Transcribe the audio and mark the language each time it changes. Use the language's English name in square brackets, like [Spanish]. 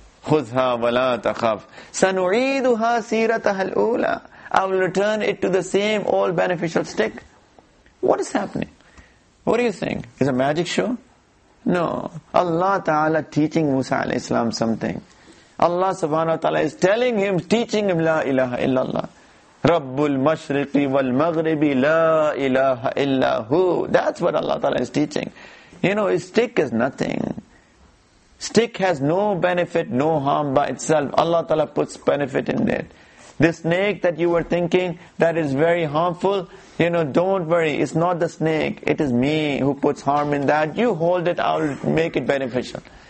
[Arabic] خُذْهَا وَلَا تَخَفْ سَنُعِيدُهَا سِيرَتَهَا الْأُولَى [English] I will return it to the same old beneficial stick. What is happening? What do you think? Is it a magic show? No. Allah Ta'ala teaching Musa alayhi salam something. Allah subhanahu wa ta'ala is telling him, teaching him, [Arabic] لا إله إلا الله. رب المشرق والمغرب لا إله إلا هو. [English] That's what Allah Ta'ala is teaching. You know, his stick is nothing. Stick has no benefit, no harm by itself. Allah Ta'ala puts benefit in it. This snake that you were thinking that is very harmful, you know, don't worry, it's not the snake. It is me who puts harm in that. You hold it, I'll make it beneficial.